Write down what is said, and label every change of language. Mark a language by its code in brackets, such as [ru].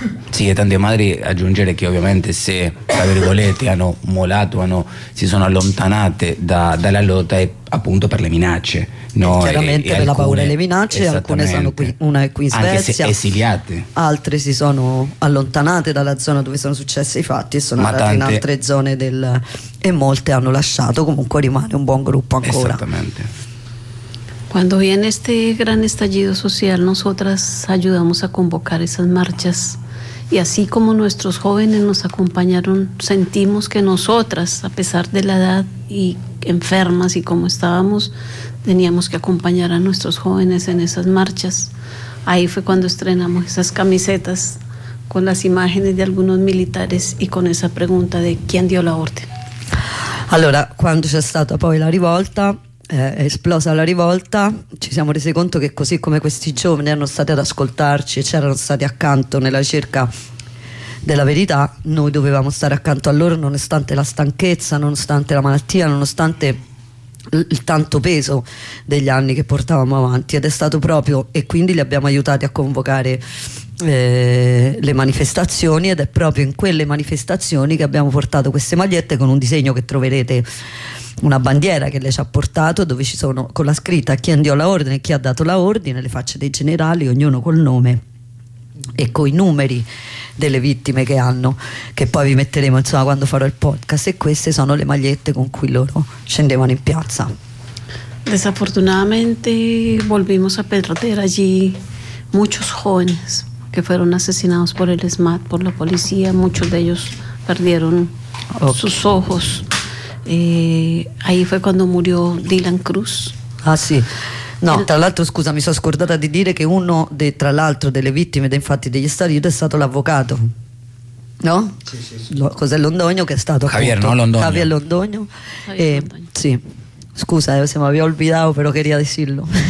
[it] Sì, e tante madri, aggiungere che ovviamente se, tra virgolette, hanno mollato, si sono allontanate dalla lotta, è appunto per le minacce. No, chiaramente per la paura e le minacce, alcune sono qui, una è qui in Svezia, anche se esiliate, altre si sono allontanate dalla zona dove sono successi i fatti e sono andate in altre zone del, e molte hanno lasciato, comunque rimane un buon gruppo ancora. Esattamente. [es] Cuando viene este gran estallido social, nosotras ayudamos a convocar esas marchas, y así como nuestros jóvenes nos acompañaron, sentimos que nosotras, a pesar de la edad y enfermas y como estábamos, teníamos que acompañar a nuestros jóvenes en esas marchas. Ahí fue cuando estrenamos esas camisetas con las imágenes de algunos militares y con esa pregunta de quién dio la orden. [it] Allora, quando c'è stata poi la rivolta, è esplosa la rivolta, ci siamo resi conto che così come questi giovani erano stati ad ascoltarci e c'erano stati accanto nella ricerca della verità, noi dovevamo stare accanto a loro, nonostante la stanchezza, nonostante la malattia, nonostante il tanto peso degli anni che portavamo avanti. Ed è stato proprio, e quindi li abbiamo aiutati a convocare le manifestazioni, ed è proprio in quelle manifestazioni che abbiamo portato queste magliette con un disegno che troverete, una bandiera che lei ci ha portato, dove ci sono con la scritta chi andò la ordine, chi ha dato la ordine, le facce dei generali, ognuno col nome e coi numeri delle vittime che hanno, che poi vi metteremo insomma quando farò il podcast, e queste sono le magliette con cui loro scendevano in piazza. [es] Desafortunadamente volvimos a perder allí muchos jóvenes que fueron asesinados por el SMAT, por la policía, muchos de ellos perdieron sus ojos. Ahí fue cuando murió Dylan Cruz. [it] Ah sì. No, tra l'altro scusa, mi sono scordata di dire che uno dei, tra l'altro, delle vittime, infatti degli stariti, è stato l'avvocato. No? Sì. Cos'è Londoño, che è stato Javier, appunto, no, Londoño. Javier Londoño. Javier Londoño. Sì. Scusa, se mi avevo olvidato, però [es] quería decirlo.